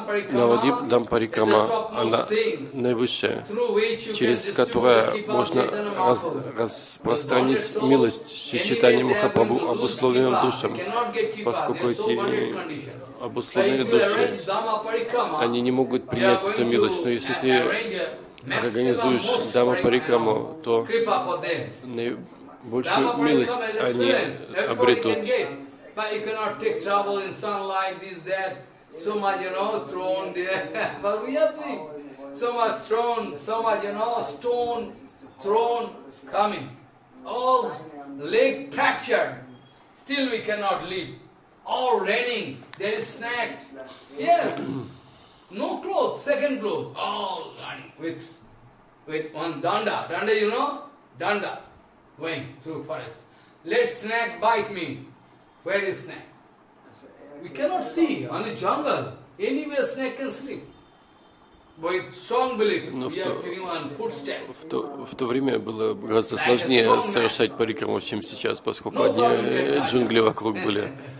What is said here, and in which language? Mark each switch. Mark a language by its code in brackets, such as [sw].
[ru] Навадип Дхамма Парикрама, она наивысшая, через которую можно распространить милость Шри Чайтанья Махапрабху обусловленным душам, поскольку эти обусловленные души, они не могут принять эту милость. Но если ты организуешь Дхамма Парикраму, то наибольшую милость они обретут. [en] But you cannot take trouble in sunlight, this, that, so much, you know, thrown there. But we have seen so much thrown, so much, you know, stone thrown coming. All leg fractured. Still we cannot live. All raining, there is snacks. Yes. No clothes, second clothes. All running with one danda. Danda, you know? Danda. Going through forest. Let snack bite me. Where is snake? We cannot see on the jungle. Anywhere snake can sleep. With strong belief, we are putting on footstep. [ru] В то время было гораздо сложнее совершать парикраму, чем сейчас, поскольку одни джунгли вокруг были.